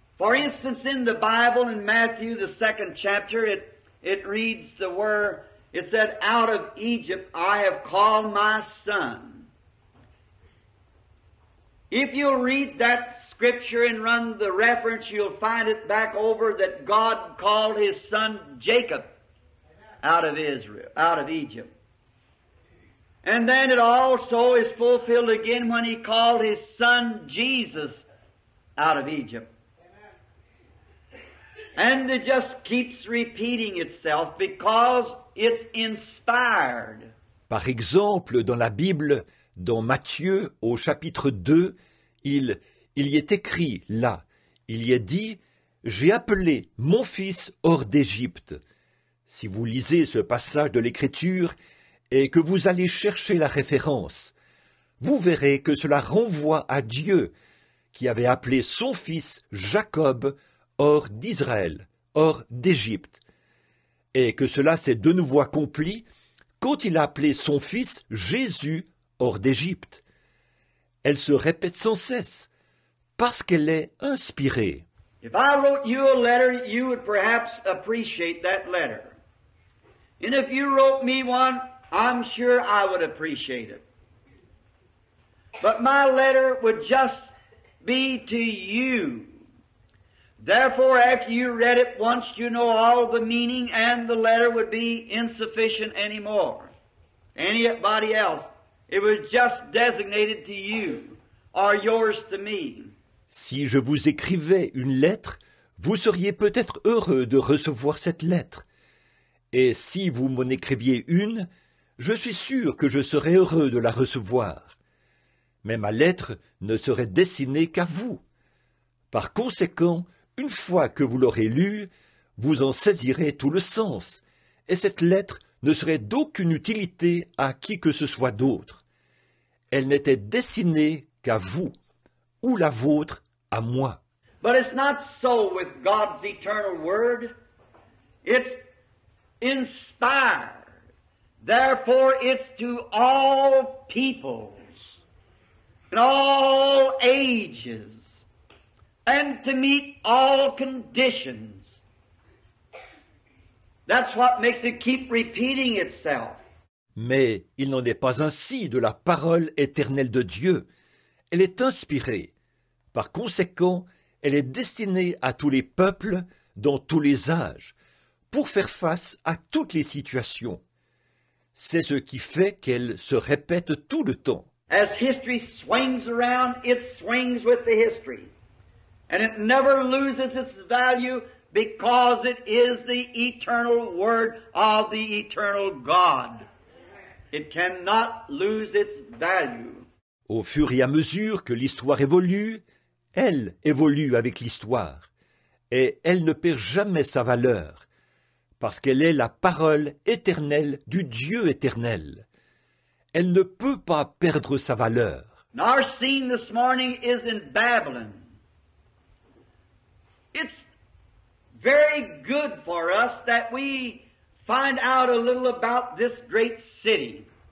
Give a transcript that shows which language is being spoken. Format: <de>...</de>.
<en>For instance, in the Bible, in Matthew, the second chapter, it reads the word, it said, out of Egypt I have called my son. If you'll read that scripture and run the reference, you'll find it back over that God called his son Jacob out of Israel, out of Egypt. And then it also is fulfilled again when he called his son Jesus out of Egypt. And it just keeps repeating itself because it's inspired.</en> <fr>Par exemple, dans la Bible, dans Matthieu, au chapitre 2, il y est écrit là, il y est dit, « J'ai appelé mon fils hors d'Égypte. » Si vous lisez ce passage de l'Écriture et que vous allez chercher la référence, vous verrez que cela renvoie à Dieu qui avait appelé son fils Jacob hors d'Israël, hors d'Égypte, et que cela s'est de nouveau accompli quand il a appelé son fils Jésus hors d'Égypte. Elle se répète sans cesse, parce qu'elle est inspirée.</fr> <en>If I wrote you a letter, you would perhaps appreciate that letter. And if you wrote me one, I'm sure I would appreciate it. But my letter would just be to you. Therefore, after you read it once, you know all the meaning, and the letter would be insufficient anymore. Anybody else, it was just designated to you, or yours to me.</en> <fr>Si je vous écrivais une lettre, vous seriez peut-être heureux de recevoir cette lettre. Et si vous m'en écriviez une, je suis sûr que je serais heureux de la recevoir. Mais ma lettre ne serait destinée qu'à vous. Par conséquent, une fois que vous l'aurez lue, vous en saisirez tout le sens, et cette lettre ne serait d'aucune utilité à qui que ce soit d'autre. Elle n'était destinée qu'à vous, ou la vôtre à moi.</fr> <en>But it's not so with God's eternal word. It's inspired. Therefore, it's to all peoples and all ages. And to meet all conditions. That's what makes it keep repeating itself.</en> <fr>Mais il n'en est pas ainsi de la parole éternelle de Dieu. Elle est inspirée. Par conséquent, elle est destinée à tous les peuples dans tous les âges, pour faire face à toutes les situations. C'est ce qui fait qu'elle se répète tout le temps.</fr> <en>As history swings around, it swings with the history. And it never loses its value because it is the eternal word of the eternal God. It cannot lose its value.</en> <fr>Au fur et à mesure que l'histoire évolue, elle évolue avec l'histoire. Et elle ne perd jamais sa valeur, parce qu'elle est la parole éternelle du Dieu éternel. Elle ne peut pas perdre sa valeur.</fr> <en>And our scene this morning is in Babylon. It's very good for us that we find out a little about this great city.</en>